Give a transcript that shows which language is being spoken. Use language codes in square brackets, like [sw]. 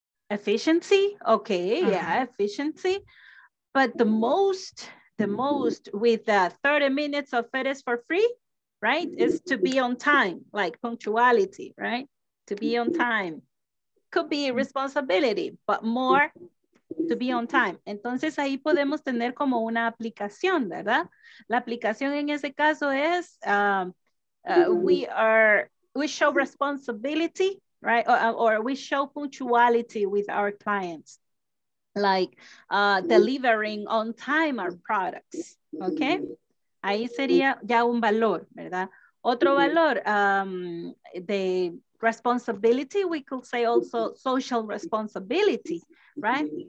[en] Efficiency, okay, yeah, efficiency. But the most with 30 minutes of fitness for free, right, is to be on time, like punctuality, right? To be on time. Could be a responsibility, but more to be on time. [es] Entonces ahí podemos tener como una aplicación, ¿verdad? La aplicación en ese caso es [en] we show responsibility. Right, or we show punctuality with our clients, like delivering on time our products, okay? [es] Ahí sería ya un valor, ¿verdad? Otro valor, de responsibility, [en] we could say also social responsibility, right?